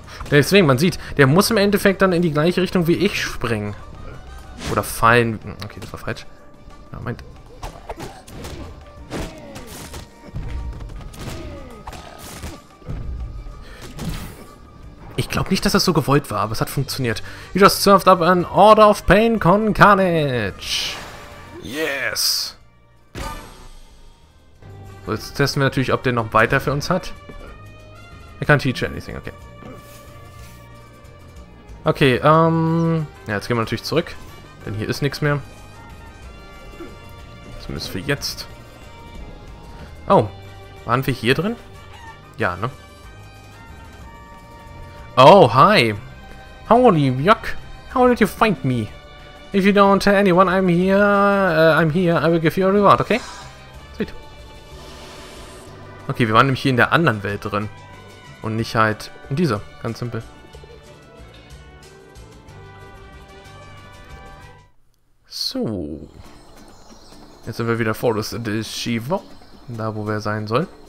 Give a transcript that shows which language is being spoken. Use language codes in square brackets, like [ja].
[de] Deswegen, man sieht, der muss im Endeffekt dann in die gleiche Richtung wie ich springen. Oder fallen. Okay, das war falsch. Moment. Ich glaube nicht, dass das so gewollt war, aber es hat funktioniert. [en] You just served up an Order of Pain con Carnage. Yes. [de] So, jetzt testen wir natürlich, ob der noch weiter für uns hat. [en] I can't teach anything, okay. [de] Okay, ja, jetzt gehen wir natürlich zurück. Denn hier ist nichts mehr. Was zumindest für jetzt. Oh, waren wir hier drin? Ja, ne? [en] Oh, hi! Holy yuck! How did you find me? If you don't tell anyone I'm here, I will give you a reward, okay? Sweet. [de] Okay, wir waren nämlich hier in der anderen Welt drin. Und nicht halt in dieser, ganz simpel. So. Jetzt sind wir wieder vor das Shivo. Da, wo wir sein sollen.